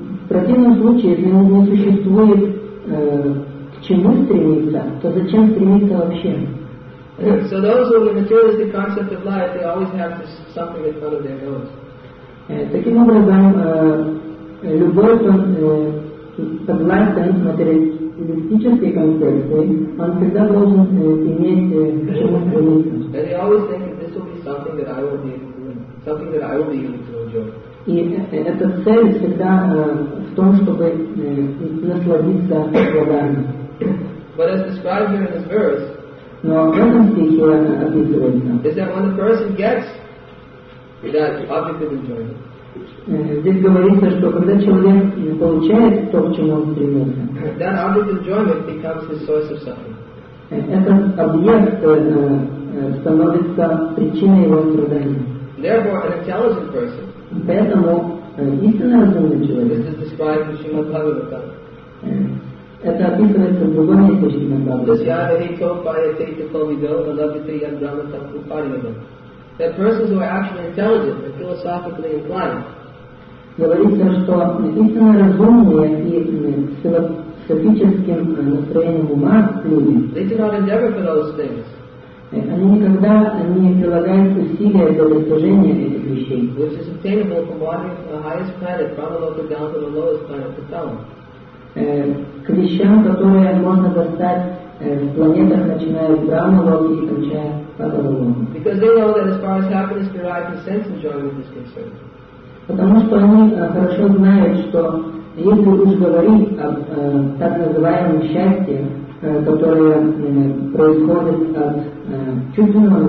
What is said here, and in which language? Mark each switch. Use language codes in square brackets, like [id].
[ru] В противном случае, если не существует к чему стремиться, то зачем стремиться вообще? [en] So those who are the materialistic concept of life, they always have this something in front of their nose. [ru] Таким образом, любой, кто согласен с материалистической концепцией, он всегда должен иметь к чему стремиться. [en] And they always think that this will be something that I will be doing, something that I will be able to enjoy. [ru] И эта цель всегда в том, чтобы насладиться благами. [en] But as described here in this verse, [ru] но в этом стихе описывается, [en] is that when the person gets that object of enjoyment, [ru] здесь говорится, что когда человек получает то, к чему он стремится, [en] that object of enjoyment becomes his source of suffering. [ru] Этот объект становится причиной его страдания. [en] Therefore, an intelligent person. [ru] Поэтому истинно разумный человек. [en] This is described in Shrimad Bhagavatam. [ru] Это описывается в другом месте Шримад Бхагаватам. [en] That persons who are actually intelligent and philosophically inclined. [ru] Говорится, что истинно разумные и философическим настроением ума люди. [en] They do not endeavor for those things. [ru] Они никогда не прилагают усилия для достижения этих вещей. [en] Which is attainable from wandering from the highest planet, Brahmaloka, down to the lowest planet, Kutala. [ru] К вещам, которые можно достать в планетах, начиная с Брамалоки и кончая Падалалоком. [en] Because they know that as far as happiness derived from sense enjoyment is concerned. [ru] Потому что они хорошо знают, что если уж говорить об так называемом счастье, которое происходит от чувственного